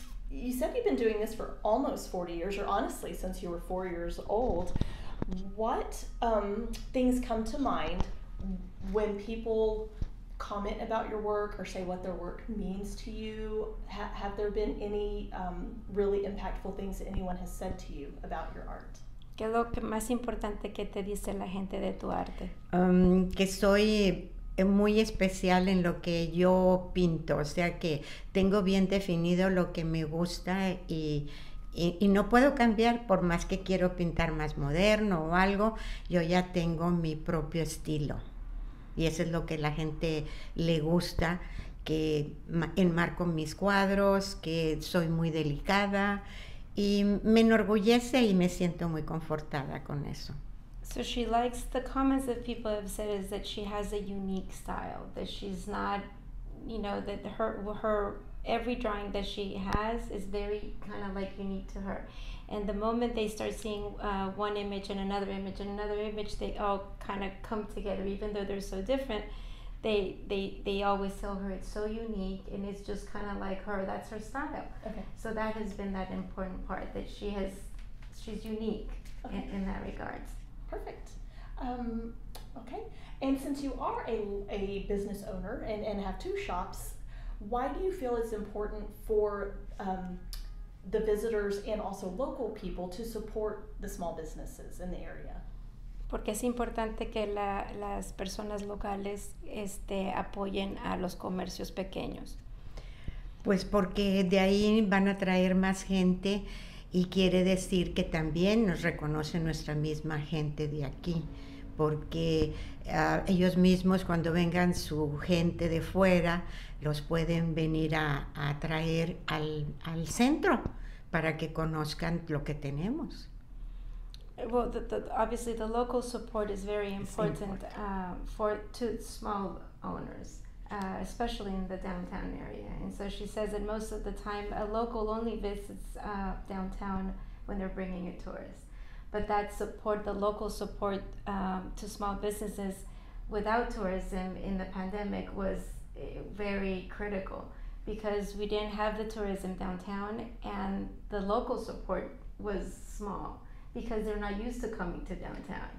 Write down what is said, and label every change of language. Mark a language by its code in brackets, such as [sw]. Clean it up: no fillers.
[en] You said you've been doing this for almost 40 years, or honestly, since you were 4 years old. What things come to mind when people comment about your work or say what their work means to you? Have there been any really impactful things that anyone has said to you about your art? [es] ¿Qué es lo más importante que te dice la gente de tu arte? Que soy muy especial en lo que yo pinto, o sea que tengo bien definido lo que me gusta y no puedo cambiar por más que quiero pintar más moderno o algo, yo ya tengo mi propio estilo. Y eso es lo que la gente le gusta, que enmarco mis cuadros, que soy muy delicada, y me enorgullece y me siento muy confortada con eso. [en] So she likes the comments that people have said is that she has a unique style, that she's not, you know, that her every drawing that she has is very kind of like unique to her. And the moment they start seeing one image and another image and another image, they all kind of come together, even though they're so different. They always tell her it's so unique and it's just kind of like her, that's her style. Okay. So that has been that important part, that she's unique. Okay. in that regard. Perfect. Okay, and since you are a business owner and have two shops, why do you feel it's important for the visitors and also local people to support the small businesses in the area? [es] Porque es importante que las personas locales apoyen a los comercios pequeños. Pues porque de ahí van a traer más gente y quiere decir que también nos reconoce nuestra misma gente de aquí. Porque ellos mismos, cuando vengan su gente de fuera, los pueden venir a traer al centro para que conozcan lo que tenemos. [en] Well, obviously the local support is very important, for small owners, especially in the downtown area. And so she says that most of the time a local only visits downtown when they're bringing a tourist. But that support, the local support to small businesses without tourism in the pandemic was very critical, because we didn't have the tourism downtown and the local support was small because they're not used to coming to downtown.